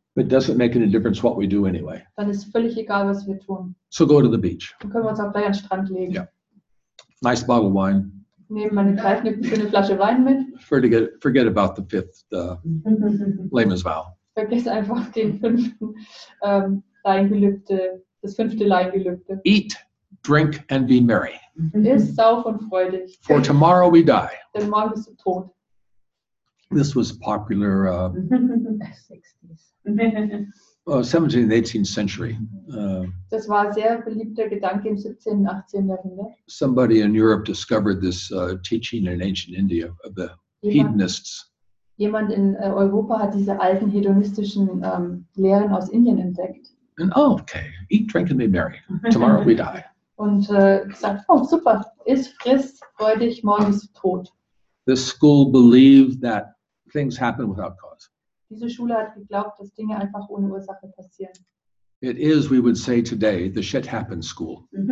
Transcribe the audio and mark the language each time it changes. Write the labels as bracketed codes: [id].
[en] it doesn't make any difference what we do anyway. [de] Dann ist völlig egal, was wir tun. [en] So go to the beach. [de] Dann können wir uns auch gleich an den Strand legen. [en] Yeah. Nice bottle of wine. [de] Nehmen wir eine schöne Flasche Wein mit. [en] Forget about the fifth layman's vow. [de] Vergiss einfach den fünften Laiengelübde, das fünfte Laiengelübde. [en] Eat. drink and be merry. [de] Ist sauf und freudig. [en] For tomorrow we die. [de] Denn morgen bist du tot. [en] This was popular 17th, 18th century. [de] Das war sehr beliebter Gedanke im 17. 18. Jahrhundert. [en] Somebody in Europe discovered this teaching in ancient India of the hedonists. [de] Jemand in Europa hat diese alten hedonistischen Lehren aus Indien entdeckt. [en] And, oh, okay, eat, drink and be merry. Tomorrow we die. [de] Und gesagt, oh super, iss, friss, freu dich, morgen bist du tot. [en] The school believed that things happen without cause. [de] Diese Schule hat geglaubt, dass Dinge einfach ohne Ursache passieren. [en] It is, we would say today, the shit happens school.